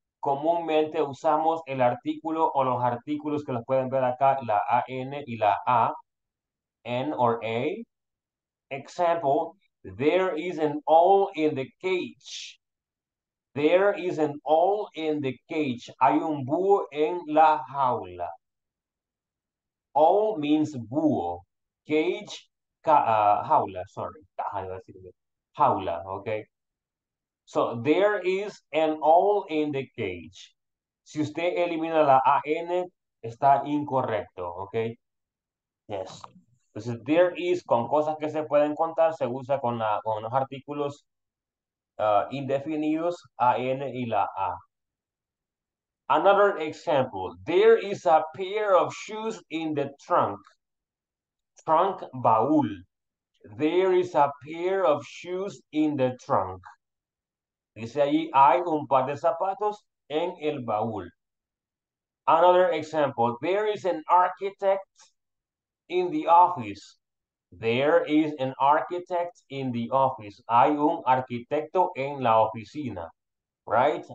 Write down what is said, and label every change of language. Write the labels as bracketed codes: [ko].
[es] Comúnmente usamos el artículo o los artículos que los pueden ver acá, la AN y la A, [en] N or A. Example, there is an owl in the cage. There is an owl in the cage. [es] Hay un búho en la jaula. [en] Owl means búho. Cage, jaula, sorry. Jaula, okay. So, there is an owl in the cage. [es] Si usted elimina la AN, está incorrecto, okay. Yes. Entonces, [en] there is, [es] con cosas que se pueden contar, se usa con, la, con los artículos indefinidos, AN y la A. [en] Another example. There is a pair of shoes in the trunk. Trunk, baúl. There is a pair of shoes in the trunk. [es] Dice ahí, hay un par de zapatos en el baúl. [en] Another example. There is an architect in the office. There is an architect in the office. [es] Hay un arquitecto en la oficina. [en] Right?